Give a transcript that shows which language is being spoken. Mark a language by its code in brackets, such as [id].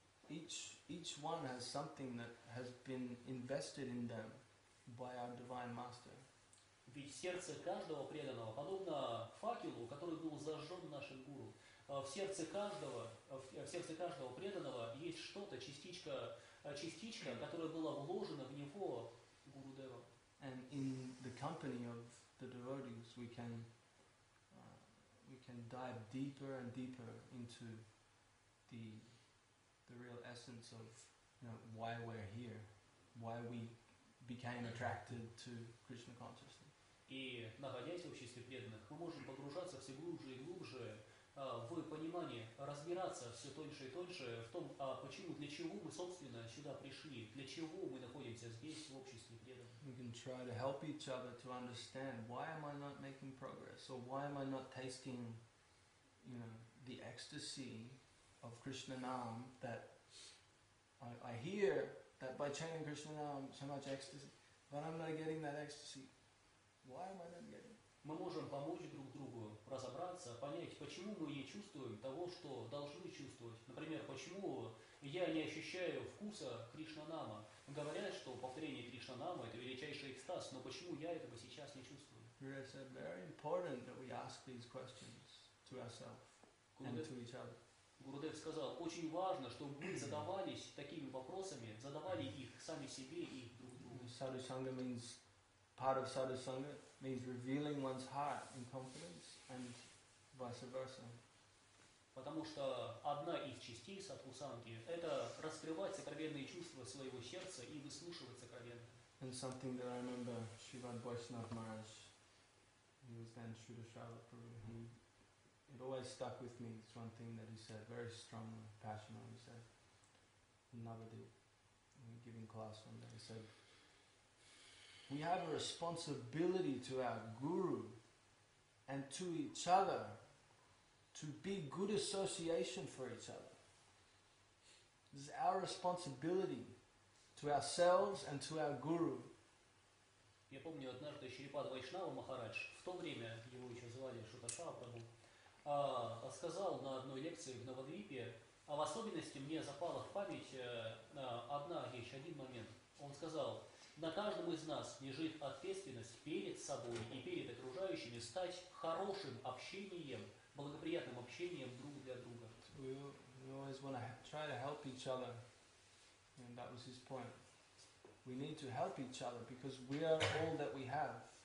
[en] Each one has something that has been invested in them by our divine master. [ru] Ведь сердце каждого преданного подобно факелу, который был зажжен нашим гуру. В сердце каждого преданного есть что-то, частичка, которая была вложена в него гуру Дева. [en] And in the company of the devotees, we can dive deeper and deeper into the real essence of, you know, why we're here, why we became attracted to Krishna consciousness. [ru] И находясь в обществе преданных, мы можем погружаться все глубже и глубже в понимание, разбираться все тоньше и тоньше в том, а почему, для чего мы собственно сюда пришли, для чего мы находимся здесь в обществе преданных. [en] We can try to help each other to understand why am I not making progress, or why am I not tasting, you know, the ecstasy of Krishna Nam, that I hear that by chanting Krishna Nam so much ecstasy, but I'm not getting that ecstasy. Why am I not getting it? [ru] Мы можем помочь друг другу разобраться, понять, почему мы не чувствуем того, что должны чувствовать. Например, почему я не ощущаю вкуса Кришнанама. Говорят, что повторение Кришнанама – это величайший экстаз, но почему я этого сейчас не чувствую? [en] Guru said, very important that we ask these questions to ourselves and to each other. [ru] Гурудев сказал, очень важно, чтобы мы задавались такими вопросами, задавали их сами себе и друг другу. [en] Sadhu Sangha means part of Sadhu Sangha means revealing one's heart in confidence and vice versa. [ru] Потому что одна из частей садху-санги – это раскрывать сокровенные чувства своего сердца и выслушивать сокровенные. [en] And something that I remember, Srivad Vaishnava Maharaj, he was then Srila Srila Prabhu, it always stuck with me, it's one thing that he said, very strong, passionate, he said, Navadeep, giving class one day, he said, we have a responsibility to our guru and to each other to be good association for each other. This is our responsibility to ourselves and to our guru. [ru] Я помню, однажды Шрипад Вайшнава Махарадж, в то время его еще звали Шутаршава Прабу, сказал на одной лекции в Навадвипе, а в особенности мне запала в память одна вещь, один момент. Он сказал, на каждом из нас лежит ответственность перед собой и перед окружающими стать хорошим общением, благоприятным общением друг для друга. [en] We always want to try to help each other. And that was his point. We need to help each other because we are all that we have.